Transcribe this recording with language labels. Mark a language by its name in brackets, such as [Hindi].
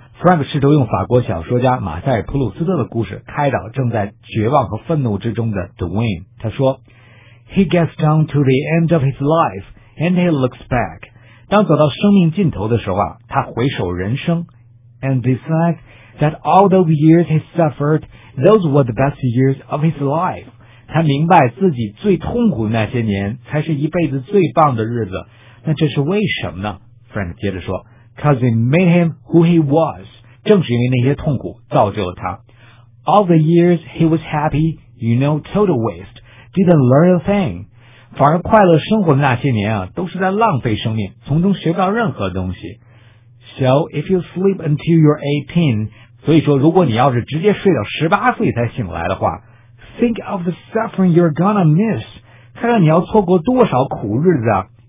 [Chinese] Frank 试图用法国小说家马塞·普鲁斯特的故事开导正在绝望和愤怒之中的 Dwayne。他说 [English] He gets down to the end of his life and he looks back. [Chinese] 当走到生命尽头的时候，他回首人生 [English] and decides that all those years he suffered, those were the best years of his life. [Chinese] 他明白自己最痛苦的那些年才是一辈子最棒的日子，那这是为什么呢？ [English] Frank [Chinese] 接着说 [English] Because it made him who he was. [Chinese] 正是因为那些痛苦造就了他。 [English] All the years he was happy, you know, total waste, didn't learn a thing. [Chinese] 反而快乐生活的那些年啊，都是在浪费生命，从中学不到任何东西。 [English] So if you sleep until you're 18, [Chinese] 所以说如果你要是直接睡到18岁才醒来的话， [English] Think of the suffering you're gonna miss. [Chinese] 看看你要错过多少苦日子啊。